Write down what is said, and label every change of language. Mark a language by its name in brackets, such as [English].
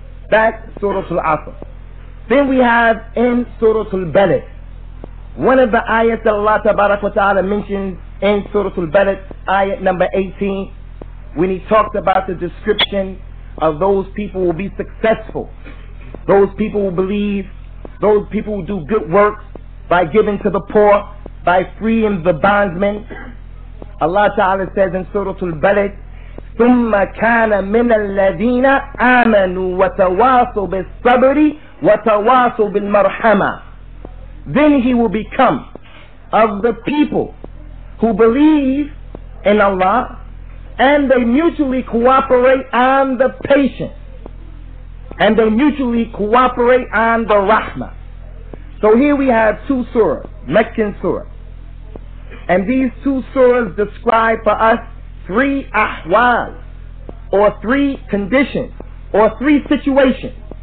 [English] That's Surah Al-Asr. Then we have in Surah Al-Balad, one of the ayats that Allah tabarak wa ta'ala mentions in Surah Al-Balad, ayat number 18, when he talked about the description of those people who will be successful, those people who believe, those people who do good works by giving to the poor, by freeing the bondmen. Allah Ta'ala says in Surah Al-Balad, [Arabic] ثُمَّ كَانَ مِنَ الَّذِينَ آمَنُوا وَتَوَاصُوا بِالصَّبْرِ وَتَوَاصُوا بِالْمَرْحَمَةِ. [English] Then he will become of the people who believe in Allah, and they mutually cooperate on the patience, and they mutually cooperate on the rahmah. So here we have two surahs, Meccan surah, and these two surahs describe for us three ahwal, or three conditions, or three situations.